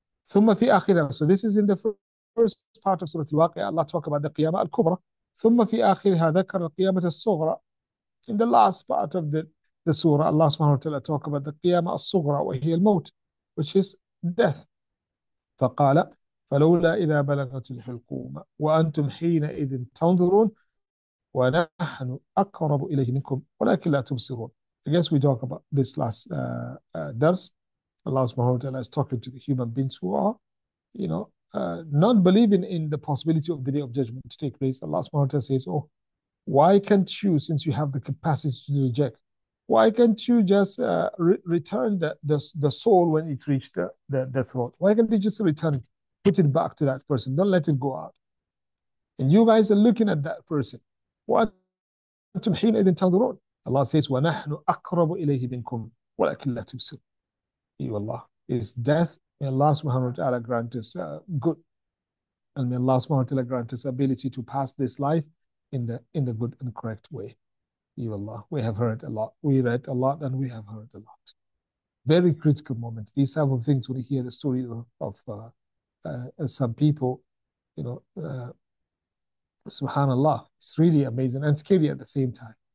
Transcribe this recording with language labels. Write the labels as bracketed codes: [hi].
[ar] ثُمَّ فِي آخِرَةً. [en] So this is in the first part of Surah Al-Waqi'ah. Allah talk about the Qiyamah Al-Kubra. [ar] ثُمَّ فِي آخِرَهَا ذَكَرَ الْقِيَامَةَ الصُّغْرَى. [en] In the last part of the surah, Allah subhanahu wa ta'ala talk about the Qiyamah Al-Sughra, وَهِيَ الْمَوْتِ, which is death. [ar] فَقَالَ فَلَوْلَا إِذَا بَلَغَتِ الْحُلْقُومَ وَأَنْتُمْ حِينَئِذٍ تَنْظُرُونَ وَنَحْنُ أَقْرَبُ إِلَيْهِ مِنْكُمْ وَلَكِنْ لَا تُبْصِرُونَ. I guess we talk about this last درس. [en] Allah subhanahu wa ta'ala is talking to the human beings who are, not believing in the possibility of the day of judgment to take place. Allah subhanahu wa ta'ala says, oh, why can't you, since you have the capacity to reject, why can't you just return the soul when it reached the death road? Why can't you just return it, put it back to that person? Don't let it go out. And you guys are looking at that person. What? [ar] Allah says, وَنَحْنُ أَقْرَبُ إِلَيْهِ مِنْكُمْ وَلَكِنْ لَا تُبْصِرُونَ. [en] Allah is death. May Allah subhanahu wa ta'ala grant us good. And may Allah subhanahu wa ta'ala grant us ability to pass this life in the good and correct way. Allah, we have heard a lot. We read a lot and we have heard a lot. Very critical moment. These type of things, when you hear the story of some people, subhanallah, it's really amazing and scary at the same time.